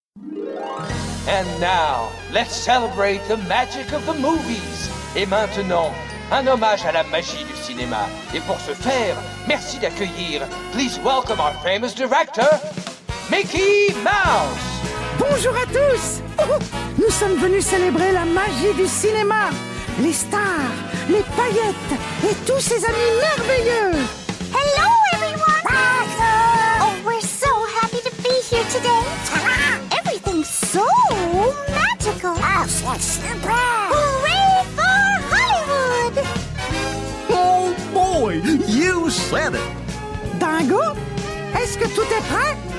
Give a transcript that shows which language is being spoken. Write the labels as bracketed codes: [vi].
[en] And now, let's celebrate the magic of the movies. [fr] Et maintenant, un hommage à la magie du cinéma. Et pour ce faire, merci d'accueillir. [en] Please welcome our famous director, Mickey Mouse. [fr] Bonjour à tous. Nous sommes venus célébrer la magie du cinéma. Les stars, les paillettes et tous ces amis merveilleux. [en] Hello everyone. Hello. Oh, we're so happy to be here today. Everything's so magical. Oh, so super. Hooray for Hollywood. Oh boy, you said it. [fr] Dingo, est-ce que tout est prêt?